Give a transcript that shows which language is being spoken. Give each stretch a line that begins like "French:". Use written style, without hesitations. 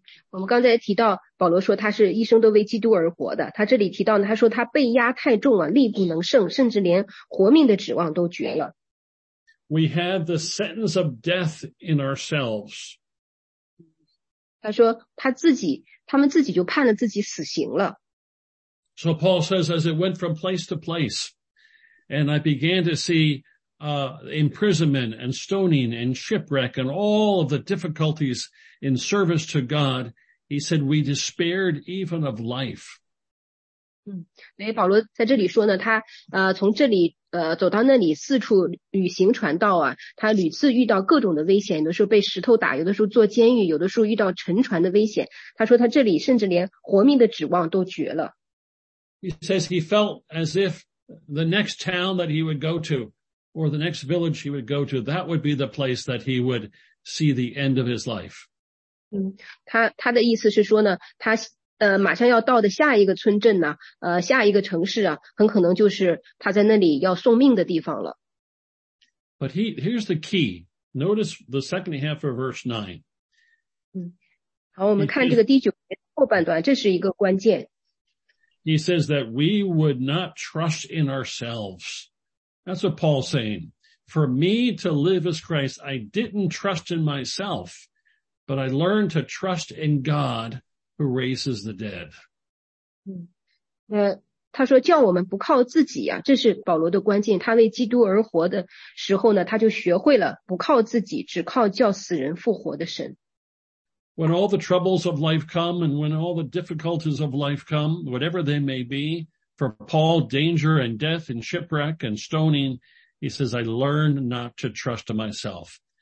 Chinese: 我们刚才提到，保罗说他是一生都为基督而活的。他这里提到呢，他说他被压太重了，力不能胜，甚至连活命的指望都绝了。
English: We had the sentence of death in ourselves.
Chinese: 他说他自己，他们自己就判了自己死刑了。
English: So Paul says, as it went from place to place, and I began to see, imprisonment and stoning and shipwreck and all of the difficulties in service to God, he said, we despaired even of life.
Chinese: 嗯，所以保罗在这里说呢，他从这里走到那里，四处旅行传道啊，他屡次遇到各种的危险，有的时候被石头打，有的时候坐监狱，有的时候遇到沉船的危险。他说他这里甚至连活命的指望都绝了。
English: He says he felt as if the next town that he would go to, or the next village he would go to, that would be the place that he would see the end of his life.
Chinese: 他的意思是说呢，他马上要到的下一个村镇呢，下一个城市啊，很可能就是他在那里要送命的地方了。
English: But here's the key. Notice the second half of verse 9.
Chinese: 好，我们看这个第九节后半段，这是一个关键。
English: He says that we would not trust in ourselves. That's what Paul's saying. For me to live as Christ, I didn't trust in myself, but I learned to trust in God who raises the dead.
Chinese: 他说叫我们不靠自己啊，这是保罗的关键。他为基督而活的时候呢，他就学会了不靠自己，只靠叫死人复活的神。
English: When all the troubles of life come and when all the difficulties of life come, whatever they may be, for Paul, danger and death and shipwreck and stoning, he says, I learned not to trust myself.